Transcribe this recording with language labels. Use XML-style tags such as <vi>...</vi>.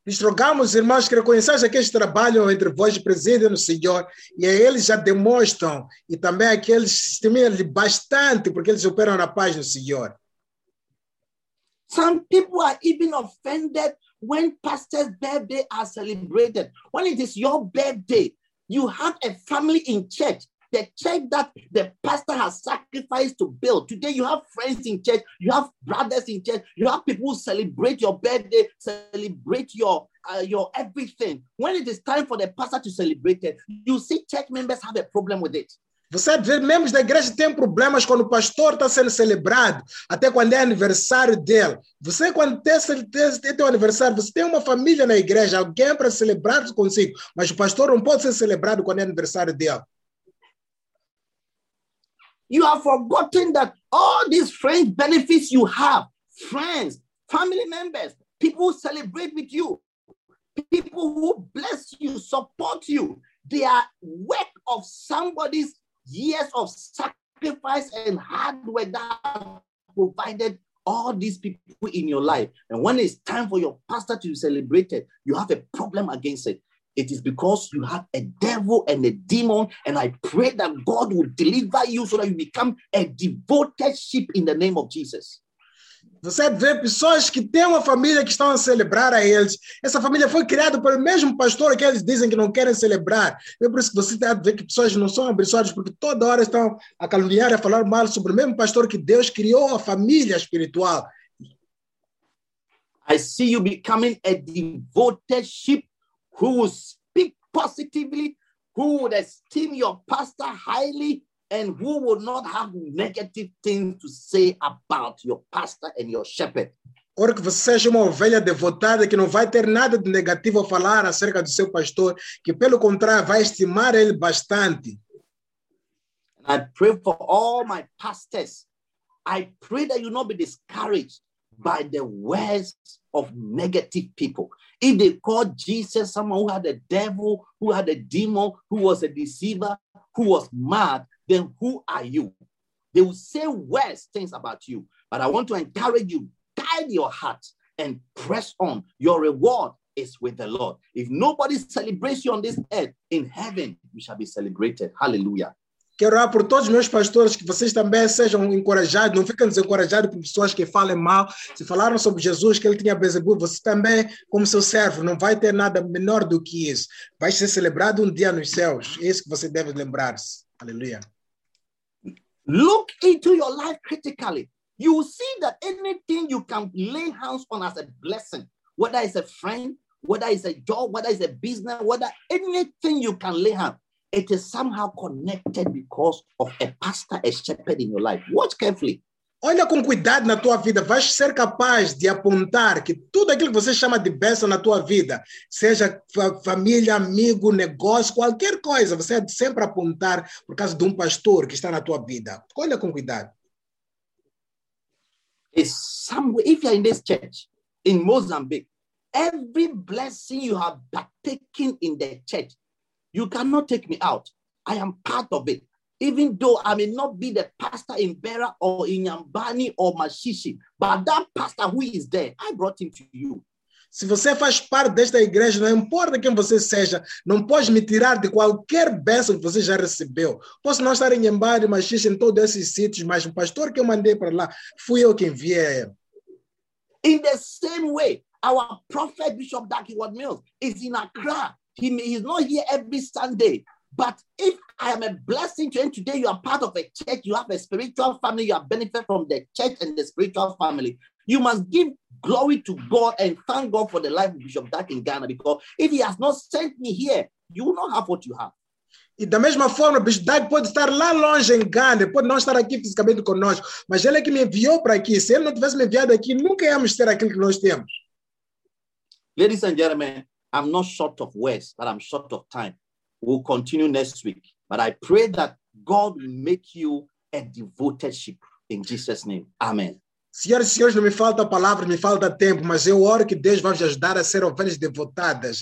<pt>Lhes rogamos, irmãos, que reconheçais aqueles que trabalham entre vós e presidem no Senhor e a eles já demonstram e também aqueles que estimem-lhe bastante porque eles operam na paz do Senhor.</pt> <en>Some people are even offended when pastor's birthday are celebrated. When it is your birthday, you have a family in church. The church that the pastor has sacrificed to build. Today you have friends in church. You have brothers in church. You have people who celebrate your birthday, celebrate your everything. When it is time for the pastor to celebrate it, you see church members have a problem with it.</en> <pt>Você vê, membros da igreja têm problemas quando o pastor está sendo celebrado, até quando é aniversário dele. Você, quando tem teu aniversário, você tem uma família na igreja, alguém para celebrar consigo, mas o pastor não pode ser celebrado quando é aniversário dele.</pt> <en>You have forgotten that all these friends benefits you have, friends, family members, people who celebrate with you, people who bless you, support you, they are work of somebody's years of sacrifice and hard work that provided all these people in your life. And when it's time for your pastor to celebrate it, you have a problem against it. It is because you have a devil and a demon, and I pray that God will deliver you so that you become a devoted sheep in the name of Jesus.</en> <pt>Você vê pessoas que têm uma família que estão a celebrar a eles. Essa família foi criada pelo mesmo pastor que eles dizem que não querem celebrar. É por isso que você deve ver que pessoas não são abençoadas, porque toda hora estão a caluniar e a falar mal sobre o mesmo pastor que Deus criou a família espiritual.</pt> <en>I see you becoming a devoted sheep who will speak positively, who would esteem your pastor highly, and who will not have negative things to say about your pastor and your shepherd.</en> <pt>Ora, que você seja uma ovelha devotada que não vai ter nada de negativo a falar acerca do seu pastor, que pelo contrário vai estimar ele bastante.</pt> <en>And I pray for all my pastors. I pray that you not be discouraged by the words of negative people. If they call Jesus someone who had a devil, who had a demon, who was a deceiver, who was mad, then who are you? They will say worse things about you. But I want to encourage you, guide your heart and press on. Your reward is with the Lord. If nobody celebrates you on this earth, in heaven, you shall be celebrated. Hallelujah.</en> <pt>Quero orar por todos os meus pastores, que vocês também sejam encorajados, não fiquem desencorajados por pessoas que falem mal. Se falaram sobre Jesus, que ele tinha Beelzebub, você também, como seu servo, não vai ter nada menor do que isso. Vai ser celebrado um dia nos céus. É isso que você deve lembrar-se. Hallelujah.</pt> <en>Look into your life critically. You will see that anything you can lay hands on as a blessing, whether it's a friend, whether it's a job, whether it's a business, whether anything you can lay hands, it is somehow connected because of a pastor, a shepherd in your life. Watch carefully.</en> <pt>Olha com cuidado na tua vida, vais ser capaz de apontar que tudo aquilo que você chama de bênção na tua vida, seja família, amigo, negócio, qualquer coisa, você é de sempre apontar por causa de um pastor que está na tua vida. Olha com cuidado.</pt> <en>If you're in this church, in Mozambique, every blessing you have partaken in the church, you cannot take me out. I am part of it. Even though I may not be the pastor in Bera or in Yambani or Mashishi, but that pastor who is there, I brought him to you.</en> <pt>Se você faz parte desta igreja, não importa quem você seja, não pode me tirar de qualquer bênção que você já recebeu. Posso não estar em Yambani, Mashishi, em todos esses sítios, mas o pastor que eu mandei para lá, fui eu quem enviei.</pt> <en>In the same way, our prophet Bishop Dakiwad Mills is in Accra. He is not here every Sunday. But if I am a blessing to you and today you are part of a church, you have a spiritual family, you have benefited from the church and the spiritual family, you must give glory to God and thank God for the life of Bishop Dak in Ghana, because if he has not sent me here, you will not have what you have.</en> <pt>E da mesma forma, Bishop Dak pode estar lá longe em Ghana, pode não estar aqui fisicamente conosco, mas ele é que me enviou para aqui. Se ele não tivesse me enviado aqui, nunca íamos ter aquilo que nós temos.</pt> <en>Ladies and gentlemen, I'm not short of words, but I'm short of time. We'll continue next week, but I pray that God will make you a devoted sheep in Jesus' name. Amen.</en> <pt>Senhoras e senhores, não me falta palavra, me falta tempo, mas eu oro que Deus vai te ajudar a ser ovelhas devotadas.</pt>